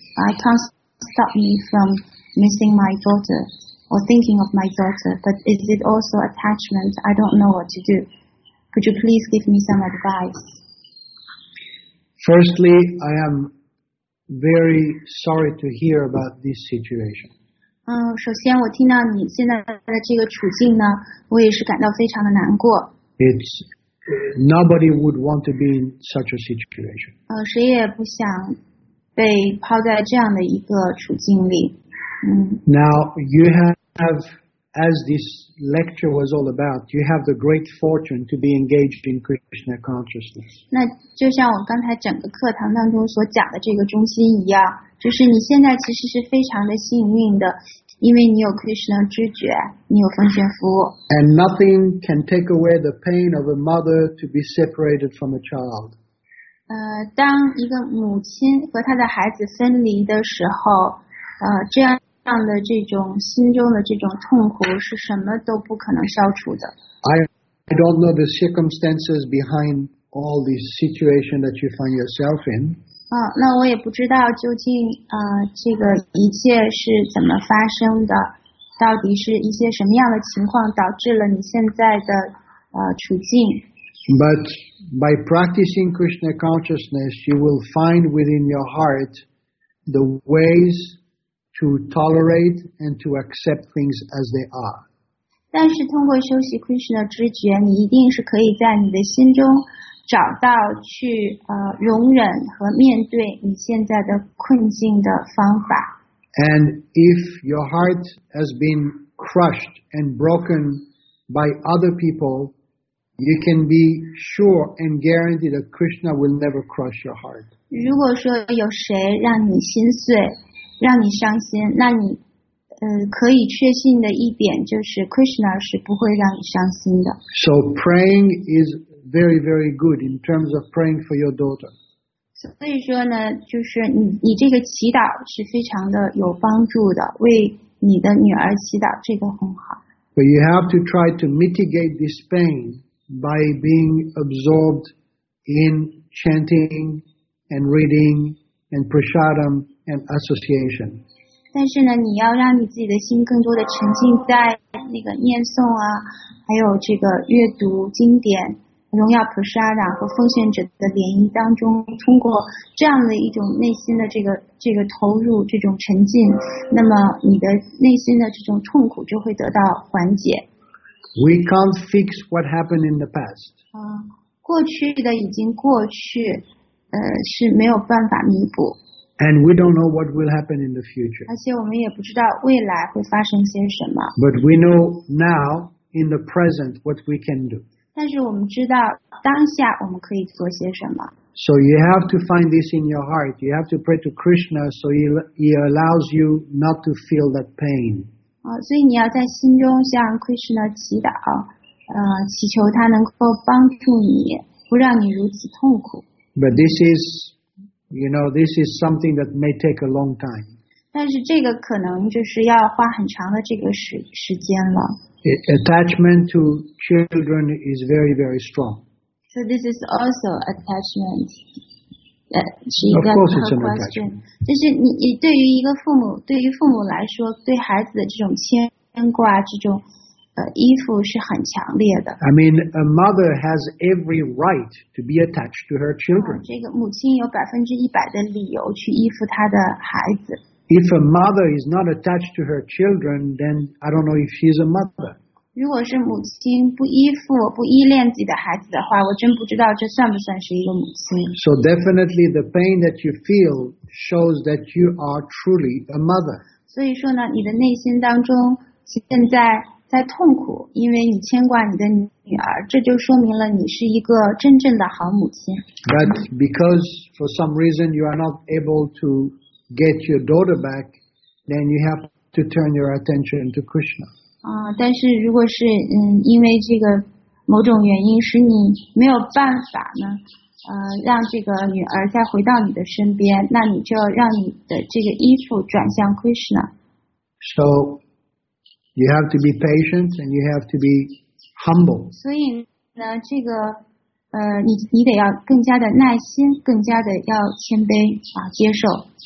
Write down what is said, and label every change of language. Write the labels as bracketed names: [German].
[English] I can't stop me from missing my daughter or thinking of my daughter, but is it also attachment? I don't know what to do. Could you please give me some advice? Firstly, I am very sorry to hear about this situation. [Chinese] 首先我听到你现在的这个处境呢，我也是感到非常的难过。 [English] Nobody would want to be in such a situation. [Chinese] 谁也不想被抛在这样的一个处境里。 [English] Now, you have, as this lecture was all about, you have the great fortune to be engaged in Krishna consciousness. [Chinese] 那就像我刚才整个课堂当中所讲的这个中心一样。就是你现在其实是非常的幸运的，因为你有 Krishna 知觉，你有奉献服务。 [English] And nothing can take away the pain of a mother to be separated from a child. [Chinese] 当一个母亲和她的孩子分离的时候，这样的这种心中的这种痛苦是什么都不可能消除的。 [English] I don't know the circumstances behind all the situation that you find yourself in. [Chinese] 那我也不知道究竟这个一切是怎么发生的，到底是一些什么样的情况导致了你现在的处境。 [English] But by practicing Krishna consciousness, you will find within your heart the ways to tolerate and to accept things as they are. [Chinese] 但是通过修习 Krishna 知觉，你一定是可以在你的心中。找到去容忍和面对你现在的困境的方法。 [English] And if your heart has been crushed and broken by other people, you can be sure and guaranteed that Krishna will never crush your heart. [Chinese] 如果说有谁让你心碎，让你伤心，那你可以确信的一点就是 Krishna 是不会让你伤心的。 [English] So praying is. Very, very good in terms of praying for your daughter. [Chinese] 所以说呢，就是你这个祈祷是非常的有帮助的，为你的女儿祈祷，这个很好。 [English] But you have to try to mitigate this pain by being absorbed in chanting and reading and prasadam and association. [Chinese] 但是呢，你要让你自己的心更多的沉浸在那个念诵啊，还有这个阅读经典。荣耀普沙达和奉献者的联谊当中，通过这样的一种内心的这个投入，这种沉浸，那么你的内心的这种痛苦就会得到缓解。 [English] We can't fix what happened in the past. [Chinese] 过去的已经过去，是没有办法弥补。 [English] And we don't know what will happen in the future. [Chinese] 而且我们也不知道未来会发生些什么。 [English] But we know now in the present what we can do. [Chinese] 但是我们知道当下我们可以做些什么。 [English] So you have to find this in your heart. You have to pray to Krishna so he allows you not to feel that pain. [Chinese] 所以你要在心中向 Krishna 祈祷，祈求他能够帮助你，不让你如此痛苦。 [English] But this is, you know, this is something that may take a long time. [Chinese] 但是这个可能就是要花很长的这个时间了。 [English] Attachment to children is very, very strong. So this is also attachment. Of course, it's an attachment. [Chinese] 就是你对于一个父母，对于父母来说，对孩子的这种牵挂，这种依附是很强烈的。 [English] I mean, a mother has every right to be attached to her children. [Chinese] 这个母亲有100%的理由去依附她的孩子。 [English] If a mother is not attached to her children, then I don't know if she's a mother. [Chinese] 如果是母亲不依附、不依恋自己的孩子的话，我真不知道这算不算是一个母亲。 [English] So definitely, the pain that you feel shows that you are truly a mother. [Chinese] 所以说呢，你的内心当中现在在痛苦，因为你牵挂你的女儿，这就说明了你是一个真正的好母亲。 [English] But because for some reason you are not able to. Get your daughter back, then you have to turn your attention to Krishna. [Chinese] 但是如果是因为这个某种原因使你没有办法呢，让这个女儿再回到你的身边，那你就要让你的这个依附转向 Krishna. [English] So you have to be patient and you have to be humble. [Chinese] 所以呢，这个你得要更加的耐心，更加的要谦卑啊，接受。